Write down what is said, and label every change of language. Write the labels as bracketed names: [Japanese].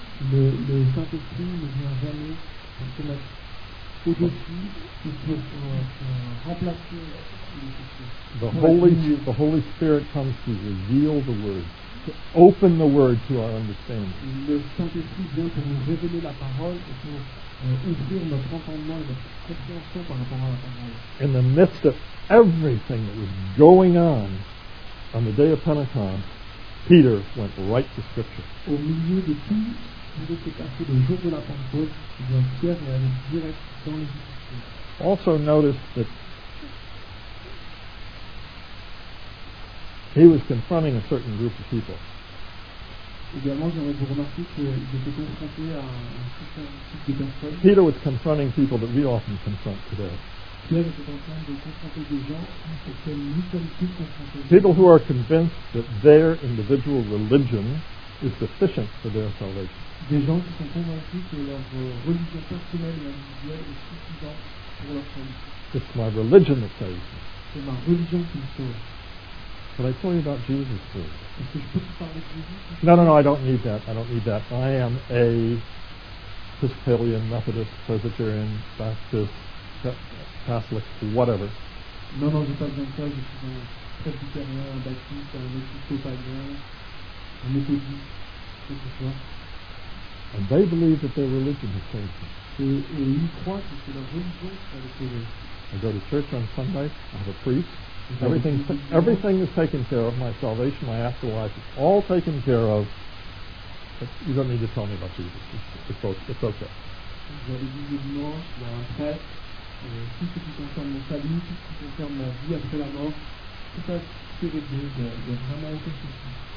[French] Le Saint-Esprit ne vient jamais se mettre au-dessus pour remplacer [English] the Holy Spirit comes to reveal the Word, to open the Word to our understanding. [French] Le Saint-Esprit vient pour nous révéler la parole et pour ouvrir notre entendement et notre compréhension par rapport à la parole. [English] In the midst of everything that was going on the day of Pentecost, Peter went right to Scripture. [French] Au milieu de tout, le jour de la Pentecôte, bien Pierre est allé direct dans les Écritures. [English] Also notice that he was confronting a certain group of people. [French] Également, j'aimerais vous remarquer qu'il était confronté à un certain type de personnes. [English] Peter was confronting people that we often confront today. [French] Pierre était en train de confronter des gens auxquels nous sommes tous confrontés. [English] People who are convinced that their individual religion is sufficient for their salvation. [French] Des gens qui sont convaincus que leur religion personnelle et individuelle est suffisante pour leur salut. [English] It's my religion that saves me. [French] C'est ma religion qui me sauve. [English] But I told you about Jesus first. [French] Est-ce que je peux te parler de Jésus? [English] No, I don't need that. I am a Episcopalian, Methodist, Presbyterian, Baptist, Catholic, whatever. [French] Non, j'ai pas besoin de ça. Je suis un Presbyterien, un Baptiste, un Episcopalien, un Méthodiste, quoi que ce soit. [English] And they believe that their religion has saved them. Et ils croient que c'est leur religion qui les a sauvés. I go to church on Sunday. I have a priest. Everything is taken care of. My salvation, my afterlife, it's all taken care of. But you don't need to tell me about Jesus. It's okay. [French] J'ai un dimanche, j'ai un prêtre. Tout ce qui concerne mon salut, tout ce qui concerne ma vie après la mort, tout ça, c'est réglé. Il y a vraiment aucun souci.